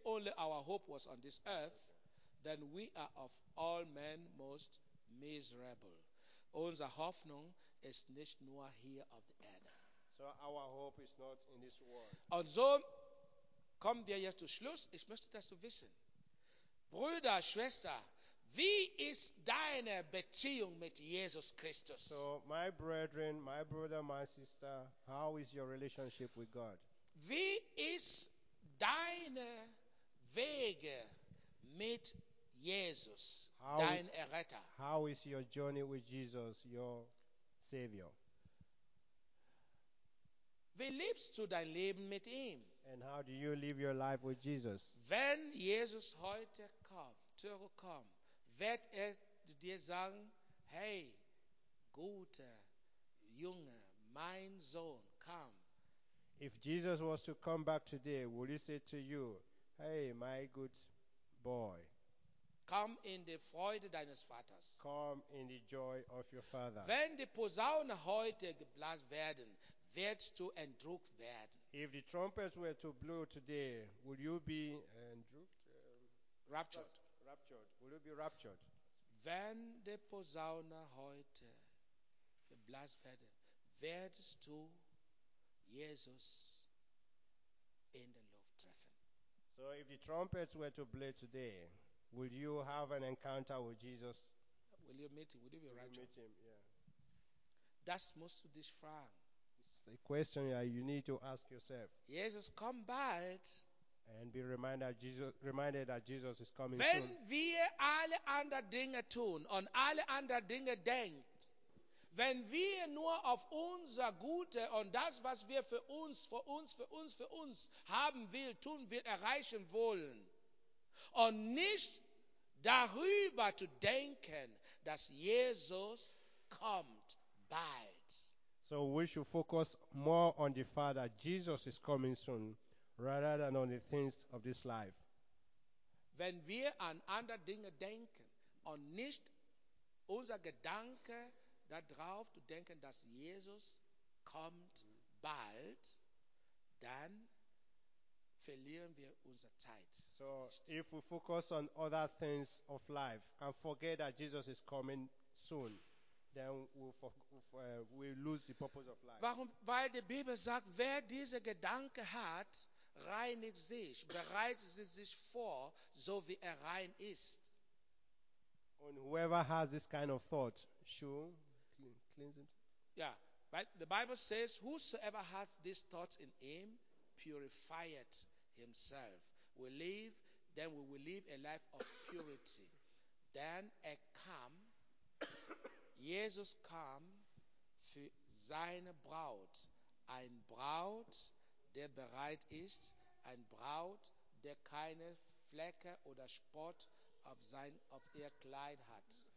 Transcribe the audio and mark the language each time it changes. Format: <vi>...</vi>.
<en>only our hope was on this earth, then we are of all men most miserable.</en> <de>Unsere Hoffnung ist nicht nur hier auf der Erde.</de> <en>So our hope is not in this world.</en> <de>Und so kommen wir jetzt zu Schluss. Ich möchte, dass du wissen. Brüder, Schwester, wie ist deine Beziehung mit Jesus Christus?</de> <en>So, my brethren, my brother, my sister, how is your relationship with God?</en> <de>Wie ist deine Wege mit Jesus, dein Erretter?</de> <en>How is your journey with Jesus, your Savior?</en> <de>Wie lebst du dein Leben mit ihm?</de> <en>And how do you live your life with Jesus?</en> <de>Wenn Jesus heute kommt, zurückkommt, wird dir sagen, hey, guter Junge, mein Sohn, komm.</de> <en>If Jesus was to come back today, would he say to you, hey, my good boy,</en> <de>komm in die Freude deines Vaters.</de> <en>Come in the joy of your father.</en> <de>Wenn die Posaune heute geblasen werden, wirst du entrückt werden.</de> <en>If the trumpets were to blow today, would you be entrückt? Raptured. Raptured. Will you be raptured?</en> <de>Wenn die Posaune heute geblasen werden, wirst du Jesus in der Luft treffen.</de> <en>So if the trumpets were to blow today, would you have an encounter with Jesus? Will you meet him? Will you be raptured? Will you meet him, yeah.</en> <de>Das musst du dich fragen.</de> <en>It's a question you need to ask yourself. Jesus, come back. And be reminded that Jesus is coming</en> <de>Wenn</de> <en>soon.</en> <de>Wenn wir alle anderen Dinge tun und alle anderen Dinge denken, wenn wir nur auf unser Gute und das, was wir für uns haben will, tun will, erreichen wollen, und nicht darüber zu denken, dass Jesus kommt bald.</de> <en>So we should focus more on the fact that Jesus is coming soon, rather than on the things of this life.</en> <de>Wenn wir an andere Dinge denken und nicht unser Gedanke darauf zu denken, dass Jesus kommt bald, dann verlieren wir unsere Zeit.</de> <en>So, if we focus on other things of life and forget that Jesus is coming soon, then we'll lose the purpose of life.</en> <de>Warum? Weil die Bibel sagt, wer diese Gedanke hat, reinigt sich, bereitet sich vor, so wie rein ist.</de> <en>And whoever has this kind of thought should cleanse it. Yeah, but the Bible says, whosoever has this thought in him, purifieth himself. We live, then we will live a life of purity.</en> <de>Then a come, Jesus kam für seine Braut, ein Braut, der bereit ist, ein Braut, der keine Flecke oder Spott auf ihr Kleid hat.</de>